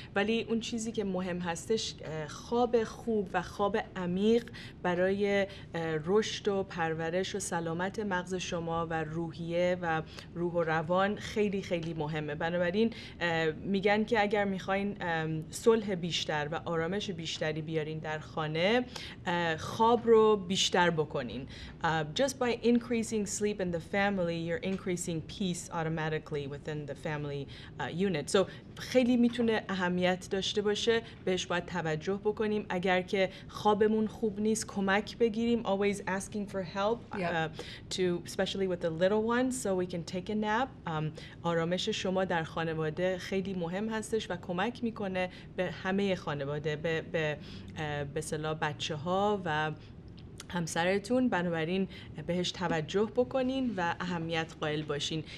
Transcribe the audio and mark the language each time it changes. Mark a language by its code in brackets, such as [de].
[fa] ولی اون چیزی که مهم هستش خواب خوب و خواب عمیق برای رشد و پرورش و سلامت مغز شما و روحیه و روح و روان خیلی خیلی مهمه. بنابراین میگن که اگر میخواین صلح بیشتر و آرامش بیشتری بیارین در خانه خواب رو بیشتر بکنین. [en] Just by increasing sleep in the family, you're increasing peace automatically within the family unit. [fa] So خیلی میتونه اهمیت داشته باشه، بهش باید توجه بکنیم. اگر که خوابمون خوب نیست کمک بگیریم. [en] Always asking for help to especially with the little ones so we can take a nap. [fa] آرامش شما در خانواده خیلی مهم هستش و کمک میکنه به همه خانواده، به اصطلاح بچه‌ها و همسرتون بنابراین بهش توجه بکنین و اهمیت قائل باشین.